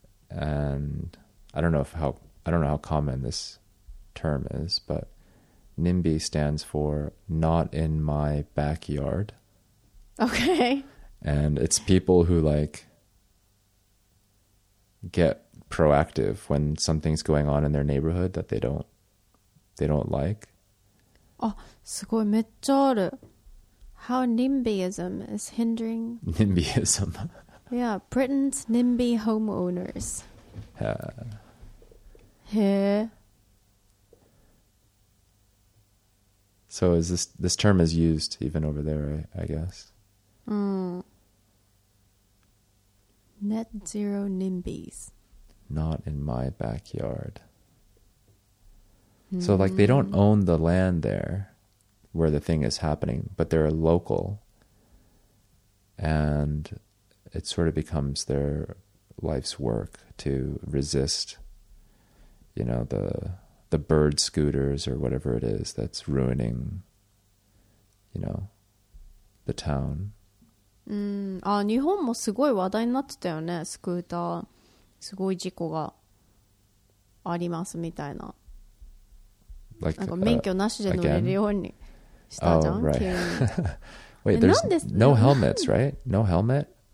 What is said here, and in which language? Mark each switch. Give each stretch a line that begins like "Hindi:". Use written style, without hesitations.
English: And I don't know if how I don't know how common this term is, but NIMBY stands for not in my backyard. Okay. And it's people who like get proactive when something's going on in their neighborhood that they don't like.
Japanese: Oh, すごい、めっちゃある。
English: How NIMBYism is hindering NIMBYism. Yeah, Britain's NIMBY homeowners. Yeah. Hey. So is this term is used even over there, I guess. Net zero NIMBYs. Not in my backyard. So like they don't own the land there where the thing is happening, but they're a local and it sort of becomes their life's work to resist, you know, the bird scooters or whatever it is that's ruining, you know, the town.
Japanese: Ah, 日本もすごい話題になってたよね。スクーターすごい事故がありますみたいな。
English: Like,
Japanese: なんか免許なしで乗れるようにしたじゃん。
English: Oh, right. Wait, there's no helmets, right? No helmet?